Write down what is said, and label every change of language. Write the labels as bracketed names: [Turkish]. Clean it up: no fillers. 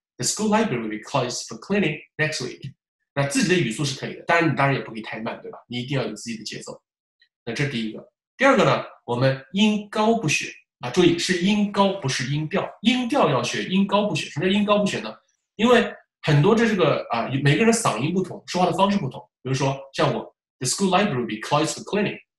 [English] The school library will be closed for cleaning next week。 [Chinese] 那自己的语速是可以的，但是你当然也不可以太慢，对吧？你一定要有自己的节奏。那这是第一个，第二个呢，我们音高不学啊，注意是音高不是音调，音调要学，音高不学。什么叫音高不学呢？因为很多这个啊，每个人嗓音不同，说话的方式不同。比如说像我， [English] The school library will be closed for cleaning.